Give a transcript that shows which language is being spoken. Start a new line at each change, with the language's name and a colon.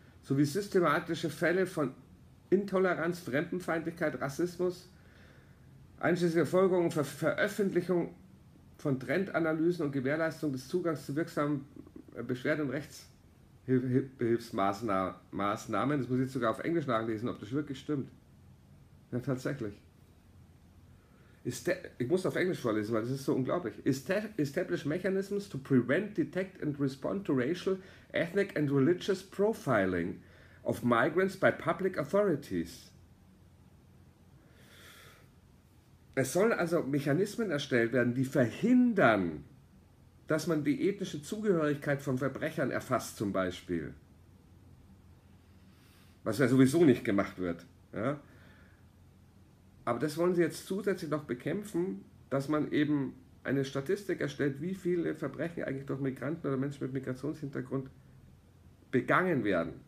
German: sowie systematische Fälle von Intoleranz, Fremdenfeindlichkeit, Rassismus, einschließlich Verfolgung und Veröffentlichung von Trendanalysen und Gewährleistung des Zugangs zu wirksamen Beschwerden und Rechtshilfsmaßnahmen. Das muss ich jetzt sogar auf Englisch nachlesen, ob das wirklich stimmt. Ja, tatsächlich. Ich muss auf Englisch vorlesen, weil das ist so unglaublich.
English: Establish mechanisms to prevent, detect and respond to racial, ethnic and religious profiling of migrants by public authorities.
German: Es sollen also Mechanismen erstellt werden, die verhindern, dass man die ethnische Zugehörigkeit von Verbrechern erfasst, zum Beispiel. Was ja sowieso nicht gemacht wird. Ja? Aber das wollen sie jetzt zusätzlich noch bekämpfen, dass man eben eine Statistik erstellt, wie viele Verbrechen eigentlich durch Migranten oder Menschen mit Migrationshintergrund begangen werden.